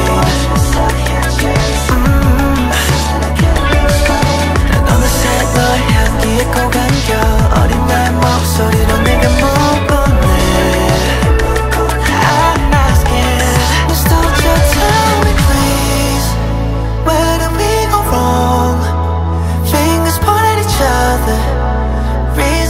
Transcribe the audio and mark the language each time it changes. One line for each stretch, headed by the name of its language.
English: I'm just sitting here chasing a feeling I can't explain.
Korean: 넌 어느새 너의 향기에 꼭 안겨 어린 나의 목소리로 내가 묻고 내
English: I'm asking. Just don't you tell me please, where do we go wrong? Fingers point at each other.